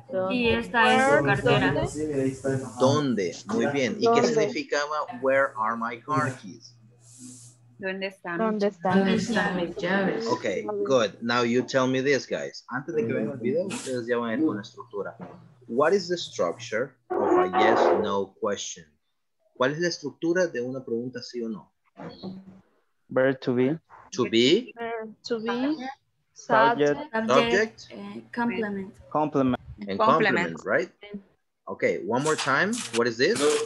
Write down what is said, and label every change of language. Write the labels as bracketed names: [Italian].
[Spanish] Y esta es su cartera. ¿Dónde? Muy bien. ¿Y qué significaba [English] where are my car keys? [Spanish] ¿Dónde están? [English] Okay, good. Now you tell me this, guys. [Spanish] Antes de que venga el video, ustedes ya van a ir con la estructura. [English] What is the structure of a yes, no question? [Spanish] ¿Cuál es la estructura de una pregunta sí o no? [English] Verb to be. To be. To be. Subject. Subject. Complement. Complement. And complement, right? Okay, one more time. What is this?